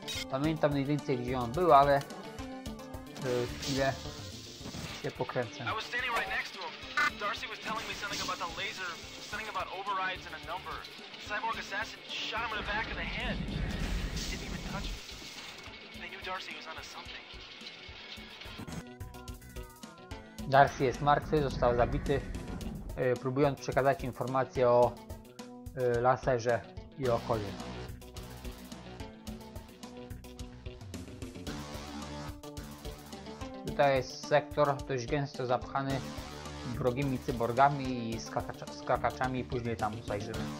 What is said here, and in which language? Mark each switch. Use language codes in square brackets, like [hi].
[pl] Pamiętam mniej więcej, gdzie on był, ale chwilę się pokręcę. [en] I was standing right next to him. Darcy was telling me something about the laser, something about overrides and a number. Cyborg assassin shot him in the back of the head. He didn't even touch me. They knew Darcy was on a something. [pl] Darcy jest martwy, został zabity, próbując przekazać informacje o laserze i o kolie. Tutaj jest sektor dość gęsto zapchany wrogimi cyborgami i skakaczami, i później tam zajrzymy.